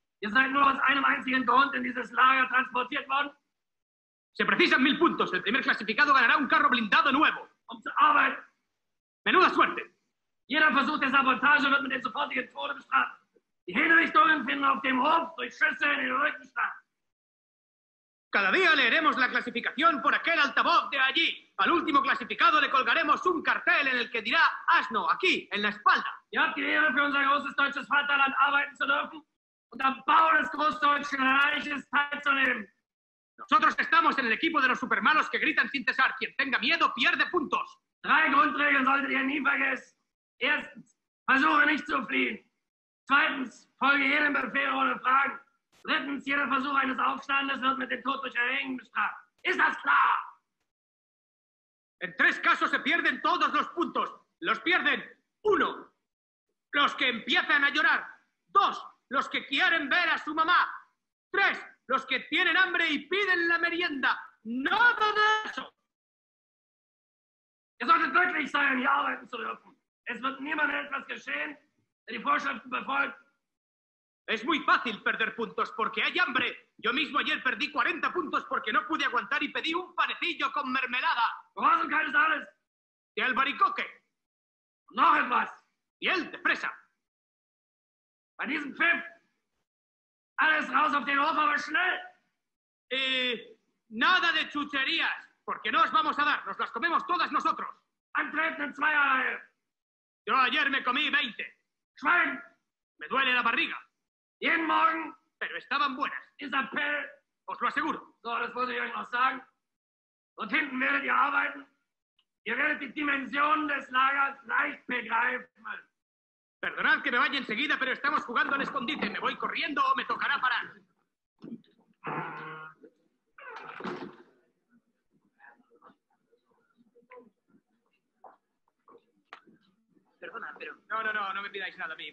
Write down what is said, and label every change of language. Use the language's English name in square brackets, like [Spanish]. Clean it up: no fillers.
[German] Ihr seid nur aus einem einzigen Grund in dieses Lager transportiert worden. [Spanish] Se precisan 1000 puntos. El primer clasificado ganará un carro blindado nuevo. [German] Um zu arbeiten. [Spanish] Menuda suerte. [German] Jeder Versuch der Sabotage wird mit dem sofortigen Tode bestraft. Die Hinrichtungen finden auf dem Hof durch Schüsse in den Rücken statt. [Spanish] Cada día leeremos la clasificación por aquel altavoz de allí. Al último clasificado le colgaremos un cartel en el que dirá Asno, aquí, en la espalda. [German] Ihr habt die Ehre, für unser großes deutsches Vaterland arbeiten zu dürfen und am Bau des Großdeutschen Reiches teilzunehmen. [Spanish] Nosotros estamos en el equipo de los supermanos que gritan sin cesar. Quien tenga miedo, pierde puntos. [German] Drei Grundregeln solltet ihr nie vergessen. Erstens, versuche nicht zu fliehen. Zweitens, folge jedem Befehl ohne Fragen. Drittens, jeder Versuch eines Aufstandes wird mit dem Tod durch Erhängen bestraft. Ist das klar? [Spanish] En tres casos se pierden todos los puntos. Los pierden, uno, los que empiezan a llorar. Dos, los que quieren ver a su mamá. Tres, los que tienen hambre y piden la merienda. ¡Nada de eso! [German] Ihr solltet glücklich sein, hier arbeiten zu dürfen. Es wird niemandem etwas geschehen, der die Vorschriften befolgt. [Spanish] Es muy fácil perder puntos porque hay hambre. Yo mismo ayer perdí 40 puntos porque no pude aguantar y pedí un panecillo con mermelada. ¿Rosen keines alles? De albaricoque. [German] Noch etwas. [Spanish] Piel de fresa. [German] Bei diesem Pfiff. Alles raus auf den Hof, aber schnell. [Spanish] Nada de chucherías, porque no os vamos a dar. Nos las comemos todas nosotros. [German] Antreten en zweierlei. [Spanish] Yo ayer me comí 20. [German] Schwein. [Spanish] Me duele la barriga. [German] Jeden Morgen. [Spanish] Pero estaban buenas. [German] Ist Appell. [Spanish] Os lo aseguro. [German] So, das muss ich euch noch sagen. Dort hinten werdet ihr arbeiten. Ihr werdet die Dimension des Lagers leicht begreifen. [Spanish] Perdonad que me vaya enseguida, pero estamos jugando al escondite. Me voy corriendo o me tocará parar. Perdona, pero... No me pidáis nada a mí.